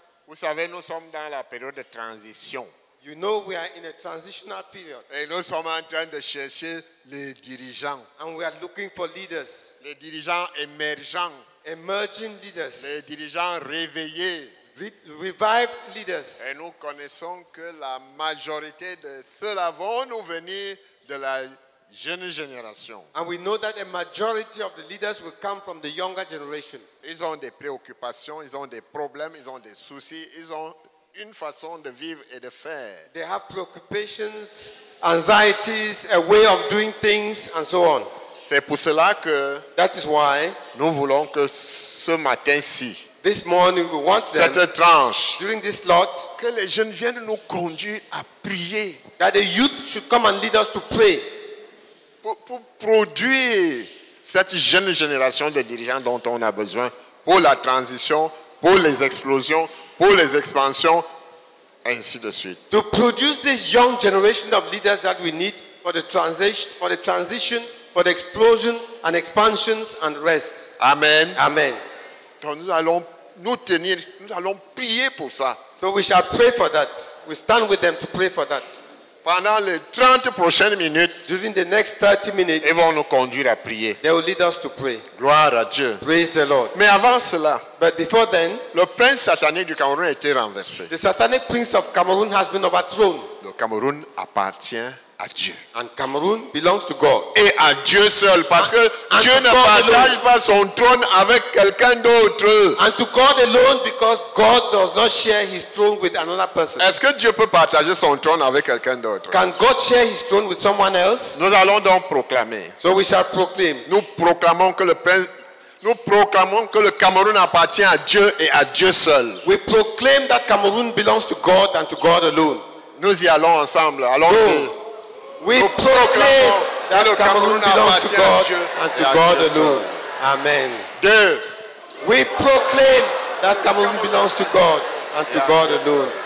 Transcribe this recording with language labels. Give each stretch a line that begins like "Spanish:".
French: vous savez, nous sommes dans la période de transition.
English: You know we are in a transitional period.
French: Et nous sommes en train de chercher les dirigeants.
English: And we are looking for leaders.
French: Les dirigeants émergents.
English: Emerging leaders.
French: Les dirigeants réveillés.
English: Revived leaders.
French: Et nous connaissons que la majorité de ceux-là vont nous venir de la jeune génération.
English: And we know that a majority of the leaders will come from the younger generation.
French: Ils ont des préoccupations, ils ont des problèmes, ils ont des soucis, ils ont une façon de vivre et de faire.
English: They have preoccupations, anxieties, a way of doing things, and so on.
French: C'est pour cela que
English: that is why
French: nous voulons que ce matin-ci,
English: this morning we want
French: cette
English: them,
French: tranche,
English: during this slot,
French: que les jeunes viennent nous conduire à prier.
English: That the youth should come and lead us to pray.
French: Pour produire cette jeune génération de dirigeants dont on a besoin pour la transition, pour les explosions, pour les expansions, ainsi de suite.
English: To produce this young generation of leaders that we need for the transition, for the explosions and expansions and rest. Amen. Amen.
French: Donc nous allons nous tenir, nous allons prier pour ça.
English: So we shall pray for that. We stand with them to pray for that.
French: Pendant les 30 prochaines minutes,
English: during the next 30 minutes,
French: ils vont nous conduire à prier.
English: They will lead us to pray.
French: Gloire à Dieu.
English: Praise the Lord.
French: Mais avant cela,
English: but before then,
French: le prince satanique du Cameroun a été renversé.
English: The satanic prince of Cameroon has been overthrown.
French: Le Cameroun appartient à Dieu.
English: And Cameroon belongs to God.
French: Et à Dieu seul, parce que
English: and
French: Dieu ne partage pas son trône avec quelqu'un d'autre.
English: And to God alone, because God does not share his throne with another person.
French: Est-ce que Dieu peut partager son trône avec quelqu'un d'autre?
English: Can God share his throne with someone else?
French: Nous allons donc proclamer.
English: So we shall proclaim.
French: Nous proclamons que le Cameroun appartient à Dieu et à Dieu seul.
English: We proclaim that Cameroon belongs to God and to God alone.
French: Nous y allons ensemble. Allons-y.
English: We proclaim that le Cameroun belongs to God and to God alone. Amen.
French: Deux.
English: We proclaim that Cameroon belongs to God and to God alone.